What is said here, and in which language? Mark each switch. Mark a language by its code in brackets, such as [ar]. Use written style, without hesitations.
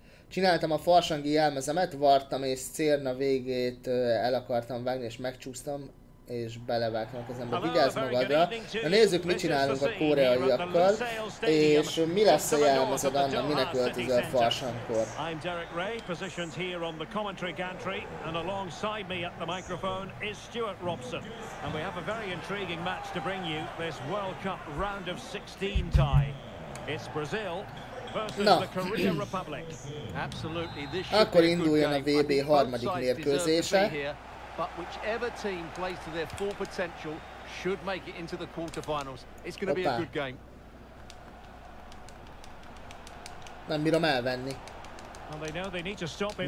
[hu] Csináltam a farsangi jelmezemet, vartam és cérna végét el akartam vágni, és megcsúsztam, és belevágtam a kezembe. Vigyázz magadra! Na nézzük, mit csinálunk a koreaiakkal, és mi lesz a jelmezed, Anna, minek öltözöl farsangkor? [en] I'm Derek Ray, positioned here on the commentary gantry, and alongside me at the microphone is Stuart Robson. And we have a very intriguing match to bring you, this World Cup round of 16 tie. It's Brazil. [hu] Na, [en] the [hu] akkor induljon a VB harmadik mérkőzése. [en] But whichever team plays to their full potential should make it into the quarterfinals. It's going to be a good game. [hu] Nem bírom elvenni. [en] Well, they know they need to stop him.